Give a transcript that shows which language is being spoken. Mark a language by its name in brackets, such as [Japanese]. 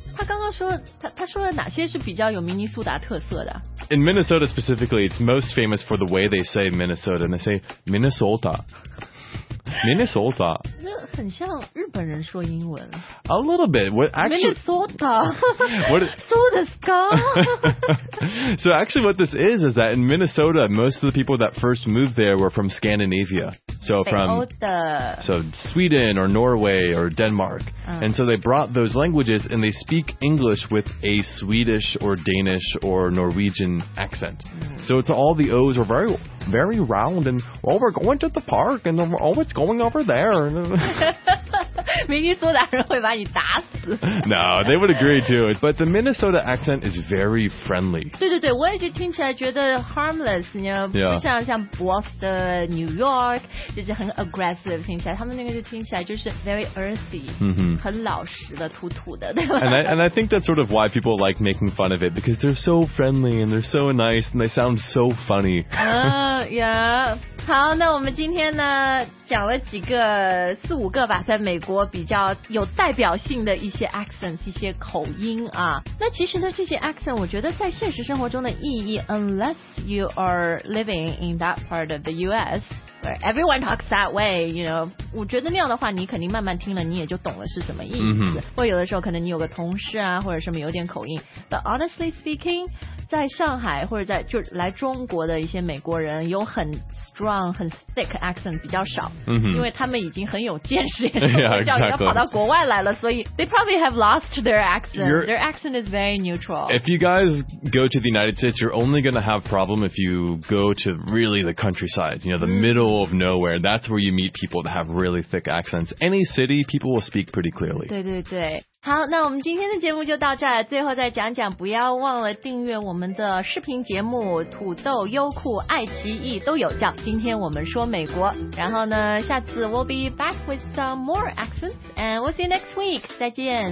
[Chinese] 他刚刚说 他说了哪些是比较有明尼苏达特色的 [English] In Minnesota specifically, it's most famous for the way they say Minnesota, and they say Minnesota. Minnesota. [Chinese] 那很像日本人说英文。 [English] A little bit. What actually, Minnesota. What so disco. So actually what this is that in Minnesota, most of the people that first moved there were from Scandinavia. So from Sweden or Norway or Denmark.、And so they brought those languages and they speak English with a Swedish or Danish or Norwegian accent.、So it's all the O's are very, very round and, well, we're going to the park and oh, it's going over there. [Chinese] 明尼苏达人会把你打死 [English] No, they would agree to it. But the Minnesota accent is very friendly. [Chinese] 对对对我也就听起来觉得 [English] harmless, you know,、 yeah. [Chinese] 不像Boston, New York, 就是很 aggressive 听起来。他们那个就听起来就是 [English] very earthy,、 mm-hmm. [Chinese] 很老实的土土的。 [English] And I think that's sort of why people like making fun of it, because they're so friendly and they're so nice and they sound so funny. yeah. [Chinese] 好那我们今天呢讲了几个四五个吧在美国比较有代表性的一些 accent， 一些口音啊。那其实呢，这些 accent 我觉得在现实生活中的意义， [English] unless you are living in that part of the US where everyone talks that way， you know， [Chinese] 我觉得那样的话你肯定慢慢听了你也就懂了是什么意思、或有的时候可能你有个同事啊或者什么有点口音， [English] but honestly speaking， [Chinese] 在上海或者在就来中国的一些美国人有很 strong 很 thick accent 比较少、因为他们已经很有见识，也是比较要跑到国外来了，所以 [English] they probably have lost their accent、their accent is very neutral. If you guys go to the United States, you're only going to have problem if you go to really the countryside, you know, the middle of nowhere. That's where you meet people that have really thick accents. Any city, people will speak pretty clearly. [Chinese] 对对对，好，那我们今天的节目就到这儿。最后再讲讲，不要忘了订阅我们的视频节目，土豆、优酷、爱奇艺都有，叫今天我们说美国。然后呢，下次 [English] we'll be back with some more accents and we'll see you next week. [Chinese] 再见，